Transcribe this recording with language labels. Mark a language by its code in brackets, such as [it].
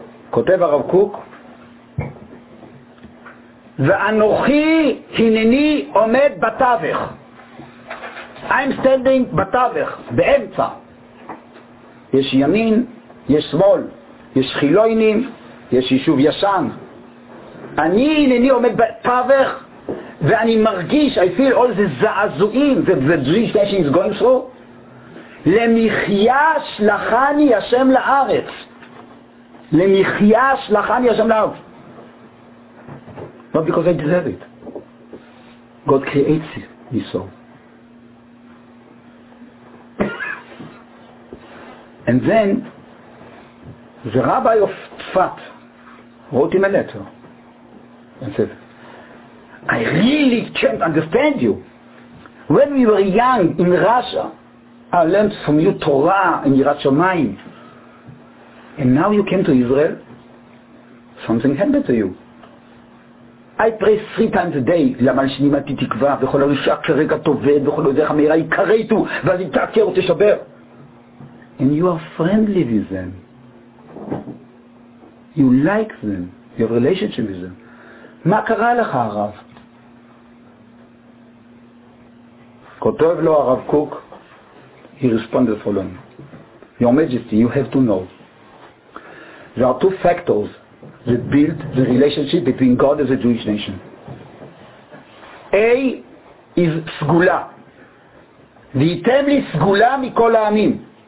[he] כותב הרב קוק, ואנוכי הנני עומד בתווך. [en] I'm standing [he] בתווך, באמצע. יש ימין, יש שמאל, יש חילוינים, יש יישוב ישן. אני הנני עומד בתווך, ואני מרגיש, [en] I feel all the זעזועים that the Jewish nation is going through. [he] למחיה שלחני השם לארץ. למחיה שלחני השם לאב. [en] Not because I deserve it. God creates me so. And then, the rabbi of Tzfat wrote him a letter and said, I really can't understand you. When we were young in Russia, I learned from you Torah in Yirat Shamayim. And now you came to Israel, something happened to you. I pray 3 times a day, [he] למה שנימתי תקווה, וכל הראשה כרגע תובד, וכל הראשה המהירה יקרייתו, ואז יתעקר ותשבר. [en] And you are friendly with them. You like them. You have a relationship with them. [he] מה קרה לך, הרב? כותב לו הרב קוק, [en] he responded following. Your Majesty, you have to know. There are 2 factors that build the relationship between God and the Jewish nation. A is [he] Sgula. V'yitem li Sgula mikol ha'amim.